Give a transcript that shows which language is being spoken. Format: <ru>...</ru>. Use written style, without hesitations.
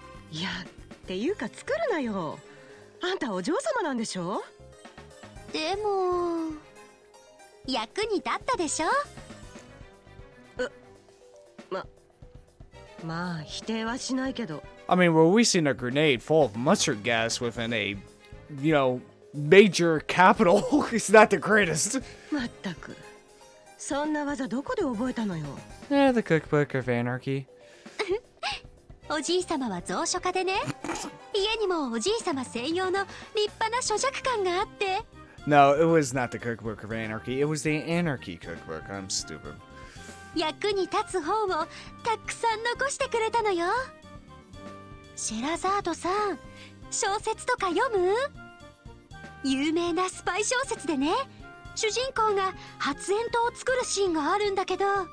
<ja>いや、っていうか作るなよ。あんたお嬢様なんでしょ。でも役に立ったでしょ。まあ否定はしないけど。</ja> <en>I mean, well, we've seen a grenade full of mustard gas within a, you know, major capital. It's not the greatest.</en> <ja>まったく。そんな技どこで覚えたのよ。</ja> <en>The cookbook of anarchy.</en> <ja>おじいさまは蔵書家でね。家にもおじいさま専用の立派な書弱館があって。</ja> <en>No, it was not the cookbook of anarchy. It was the anarchy cookbook. I'm stupid.</en> <ja>役に立つ本をたくさん残してくれたのよ。シェラザードさん、小説とか読む？有名なスパイ小説でね。主人公が発煙筒を作るシーンがあるんだけど。</ja>